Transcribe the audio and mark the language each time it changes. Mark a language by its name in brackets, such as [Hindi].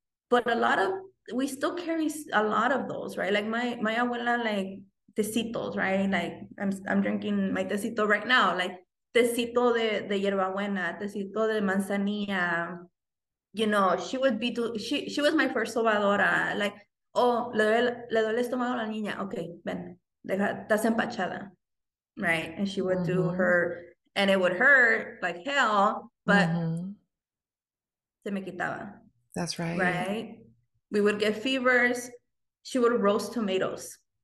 [English] But we still carry a lot of those, right? Like my abuela, like tecitos, right? Like I'm drinking my tecito right now, like [Spanish] tecito de hierbabuena, tecito de manzanilla. [English] You know, she would be, she was my first sobadora. Like, oh, [Spanish] le duele estomago a la niña. [English] Okay, [Spanish] ven, deja, estás empachada. [English] Right? And she would mm-hmm. do her, and it would hurt like hell, but mm-hmm. [Spanish] se me quitaba. [English] That's right. Right? We would get fevers. She would roast tomatoes.